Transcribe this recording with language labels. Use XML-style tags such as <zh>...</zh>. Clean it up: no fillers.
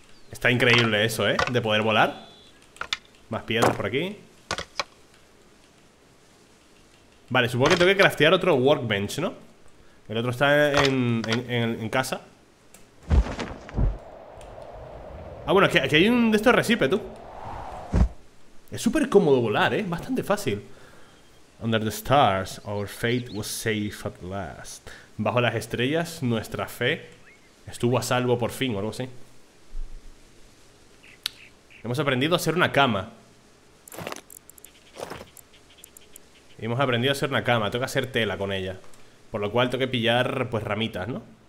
<es>Está increíble eso, ¿eh? De poder volar. Más piedras por aquí. Vale, supongo que tengo que craftear otro workbench, ¿no? El otro está en casa. Ah, bueno, aquí hay un de estos recipe, tú. Es súper cómodo volar, ¿eh? Bastante fácil.</es> <en>Under the stars, our fate was safe at last.</en> <es>Bajo las estrellas, nuestra fe estuvo a salvo por fin, o algo así. Hemos aprendido a hacer una cama. Hemos aprendido a hacer una cama. Tengo que hacer tela con ella. Por lo cual tengo que pillar, pues, ramitas, ¿no?</es>